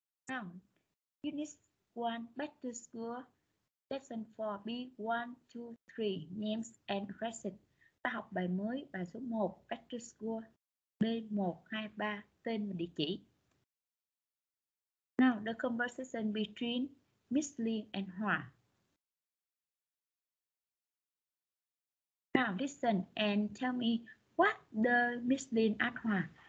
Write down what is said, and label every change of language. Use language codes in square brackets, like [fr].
[en] Now, Unit 1 Back to School, Lesson 4 B 1, 2, 3 Names and Recipes. [vi] Ta học bài mới, bài số 1 Back to School B 1, 2, 3 Tên và địa chỉ. [en] Now, the conversation between Miss Lin and Hua. Now, listen and tell me what the Miss Lin asked Hua.